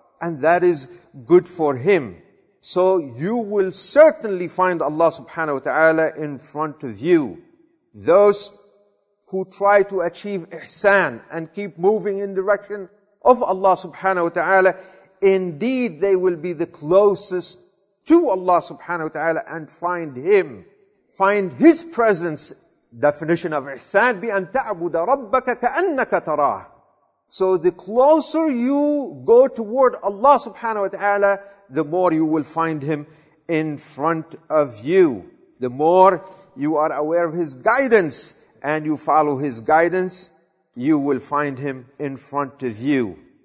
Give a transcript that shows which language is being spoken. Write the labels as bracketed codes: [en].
[en] And that is good for him. So you will certainly find Allah subhanahu wa ta'ala in front of you. Those who try to achieve ihsan and keep moving in the direction of Allah subhanahu wa ta'ala, indeed they will be the closest to Allah subhanahu wa ta'ala and find Him. Find His presence. Definition of ihsan, [ar] بأن تعبد ربك كأنك تراه. [en] So the closer you go toward Allah subhanahu wa ta'ala, the more you will find Him in front of you. The more you are aware of His guidance and you follow His guidance, you will find Him in front of you.